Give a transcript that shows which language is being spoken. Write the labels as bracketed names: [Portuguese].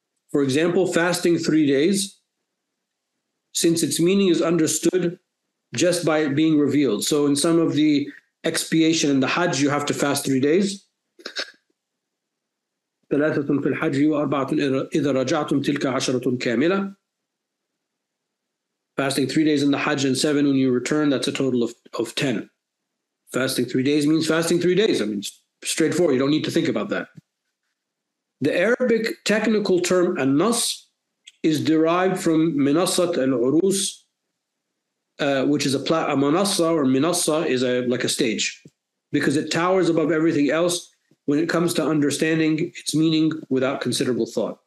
[English] For example, fasting 3 days, since its meaning is understood just by it being revealed. So in some of the expiation in the Hajj, you have to fast 3 days. [Arabic] ثلاثة في الحج وأربعة إذا رجعتم تلك عشرة كاملة. [English] Fasting 3 days in the Hajj and 7 when you return, that's a total of 10. Fasting 3 days means fasting 3 days. I mean, straightforward. You don't need to think about that. The Arabic technical term an-nas is derived from minasat al-urus, which is a manassa, or minassa is like a stage, because it towers above everything else when it comes to understanding its meaning without considerable thought.